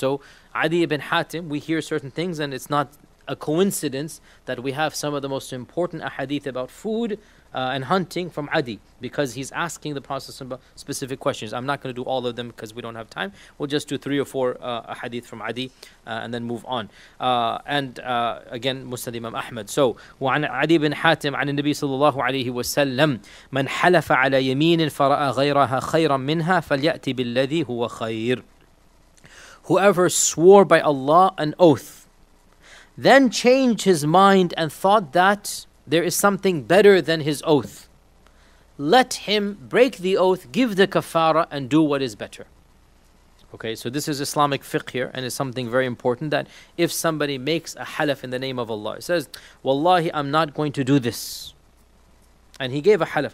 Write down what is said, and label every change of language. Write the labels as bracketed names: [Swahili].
[English] So Adi ibn Hatim, we hear certain things and it's not a coincidence that we have some of the most important hadith about food and hunting from Adi because he's asking the Prophet specific questions. I'm not going to do all of them because we don't have time. We'll just do 3 or 4 hadith from Adi and then move on. Again, Musnad Imam Ahmad. [Arabic] So, وعن عدي بن حاتم عن النبي صلى الله عليه وسلم من حلف على يمين فرأى غيرها خيرا منها فليأتي بالذي هو خير. [English] Whoever swore by Allah an oath, then changed his mind and thought that there is something better than his oath, let him break the oath, give the kafara, and do what is better. Okay, so this is Islamic fiqh here, and it's something very important that if somebody makes a halaf in the name of Allah, it says, wallahi, I'm not going to do this. And he gave a halaf.